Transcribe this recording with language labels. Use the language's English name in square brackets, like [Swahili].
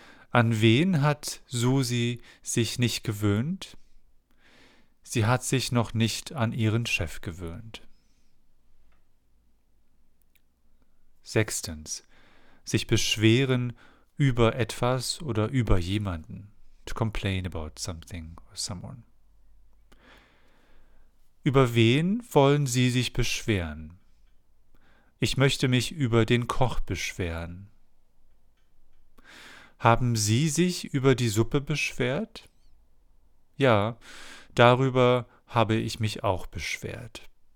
[German] An wen hat Susi sich nicht gewöhnt? Sie hat sich noch nicht an ihren Chef gewöhnt. Sechstens, sich beschweren über etwas oder über jemanden. [English] To complain about something or someone. [German] Über wen wollen Sie sich beschweren? Ich möchte mich über den Koch beschweren. Haben Sie sich über die Suppe beschwert? Ja, darüber habe ich mich auch beschwert.